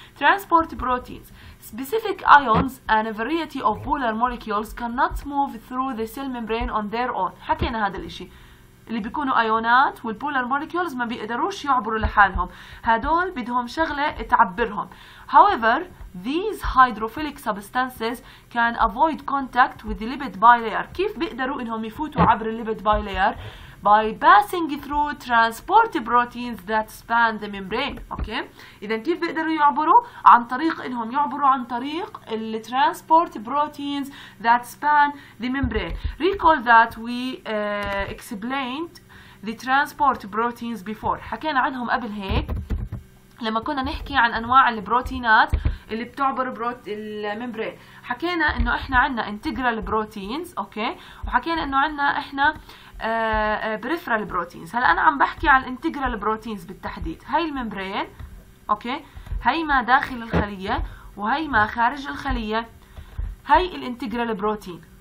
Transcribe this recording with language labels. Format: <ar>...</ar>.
<en>Transport proteins specific ions and a variety of polar molecules cannot move through the cell membrane on their own.</en> <ar>حكينا هذا الاشي اللي بيكونوا ايونات والبولر مولكيولز ما بيقدروش يعبروا لحالهم، هدول بدهم شغله تعبرهم.</ar> <en>However, these hydrophilic substances can avoid contact with the lipid bilayer.</en> <ar>كيف بيقدروا انهم يفوتوا عبر الليبيد بايلاير؟</ar> <en>By passing through transport proteins that span the membrane. Okay.</en> <ar>إذا كيف بيقدروا يعبروا؟ عن طريق إنهم يعبروا عن طريق ال</ar> <en>transport proteins that span the membrane. Recall that we explained the transport proteins before.</en> <ar>حكينا عنهم قبل هيك لما كنا نحكي عن أنواع البروتينات اللي بتعبر بروت الممبرين. حكينا إنه إحنا عنا integral proteins. Okay. وحكينا إنه عنا إحنا بريفرال بروتينز. هلا انا عم بحكي عن الانتجرال بروتينز بالتحديد. هاي الممبرين، اوكي، هاي ما داخل الخليه وهي ما خارج الخليه، هاي الانتجرال بروتين.</ar>